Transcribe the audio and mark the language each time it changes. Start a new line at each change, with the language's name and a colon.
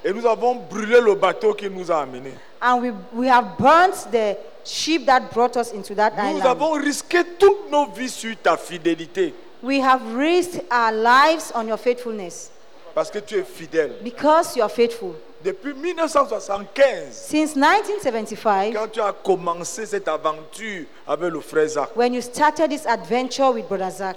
French: Et nous avons brûlé le bateau qui nous a amené.
English: And we have burnt the ship that brought us into that
French: nous
English: island.
French: Nous avons risqué toutes nos vies sur ta fidélité.
English: We have risked our lives on your faithfulness.
French: Parce que tu es fidèle.
English: Because you are faithful.
French: Depuis 1975.
English: Since 1975.
French: Quand tu as commencé cette aventure avec le frère Zach.
English: When you started this adventure with brother Zach.